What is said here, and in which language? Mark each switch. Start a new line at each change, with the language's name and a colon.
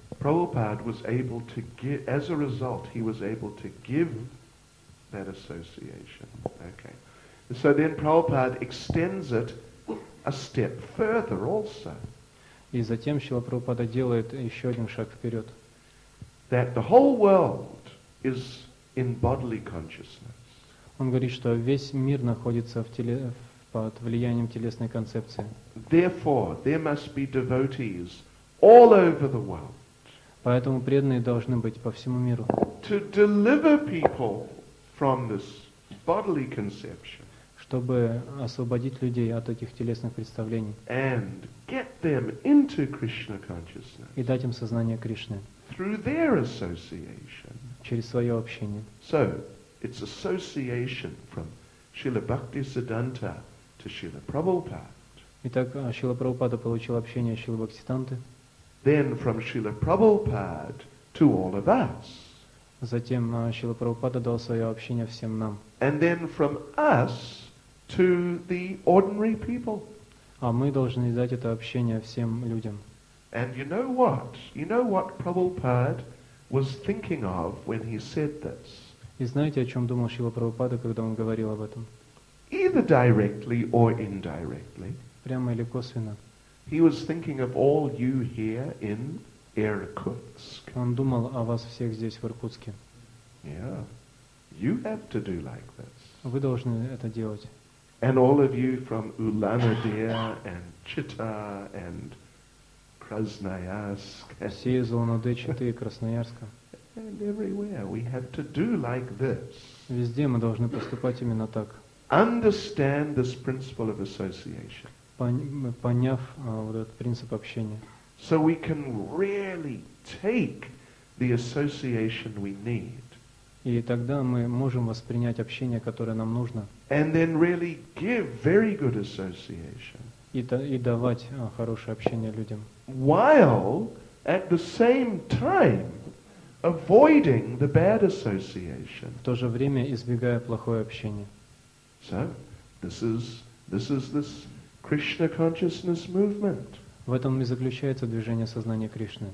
English: Prabhupada was able to give, as a result, he was able to give that association. Okay. So then Prabhupada extends it a step further also.
Russian: И затем Шрила Прабхупада делает еще один шаг вперед.
English: That the whole world is in bodily consciousness.
Russian: Он говорит, что весь мир находится под влиянием телесной концепции.
English: Therefore, there must be devotees all over the world.
Russian: Поэтому преданные должны быть по всему миру.
English: To deliver people from this bodily conception.
Russian: Чтобы освободить людей от этих телесных представлений.
English: And get them into Krishna consciousness.
Russian: И дать им сознание Кришны.
English: Through their association.
Russian: Через свое общение.
English: So, it's association from Srila Bhaktisiddhanta to Srila Prabhupada.
Russian: Итак, Шрила Прабхупада получил общение Шрилы Бхактисиддханты.
English: Then from Srila Prabhupada to all of us.
Russian: Затем Шрила Прабхупада дал свое общение всем нам.
English: And then from us to the ordinary people.
Russian: А мы должны дать это общение всем людям.
English: And you know what? You know what Prabhupada was thinking of when he said this?
Russian: И знаете, о чем думал Шрила Прабхупада, когда он говорил об этом?
English: Either directly or indirectly.
Russian: Прямо или косвенно.
English: He was thinking of all you here in Irkutsk.
Russian: Он думал о вас всех здесь в Иркутске.
English: Yeah. You have to do like this.
Russian: Вы должны это делать.
English: And all of you from Ulan-Ude and Chita and Krasnoyarsk.
Russian: Все из Улан-Удэ, Читы и Красноярска.
English: And everywhere we have to do like this.
Russian: Везде мы должны поступать именно так.
English: Understand this principle of association.
Russian: Поняв вот этот принцип общения.
English: So we can really take the association we need.
Russian: И тогда мы можем воспринять общение, которое нам нужно.
English: And then really give very good association.
Russian: И давать хорошее общение людям.
English: While at the same time avoiding the bad association.
Russian: В то же время избегая плохое общение.
English: So this is Krishna consciousness movement.
Russian: В этом и заключается движение сознания Кришны.